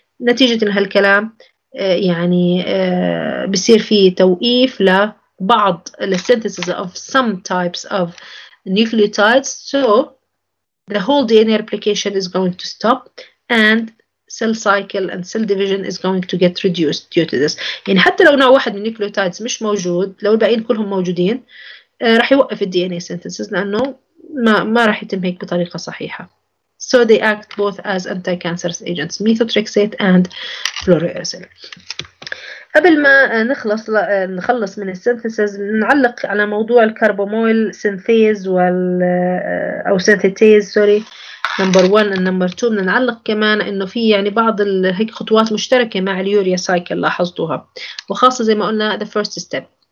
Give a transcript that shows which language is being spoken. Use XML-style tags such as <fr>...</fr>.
<ar>نتيجة لهالكلام يعني بصير في توقيف لبعض</ar> <en>the synthesis of some types of nucleotides, so the whole DNA replication is going to stop and cell cycle and cell division is going to get reduced due to this.</en> <ar>يعني حتى لو نوع واحد من nucleotides مش موجود، لو الباقيين كلهم موجودين راح يوقف DNA synthesis لأنه ما راح يتم هيك بطريقة صحيحة.</ar> <en>So they act both as anti-cancerous agents, methotrexate and fluorouracil.</en> <ar>قبل ما نخلص من السينثيسز، نعلق على موضوع الكربوميل سينثيز أو سينثيتيز، سوري، نمبر 1 والنمبر 2. نعلق كمان إنه في يعني بعض هيك خطوات مشتركة مع اليوريا سايكل لاحظتوها، وخاصة زي ما قلنا</ar> <en>the first step.</en>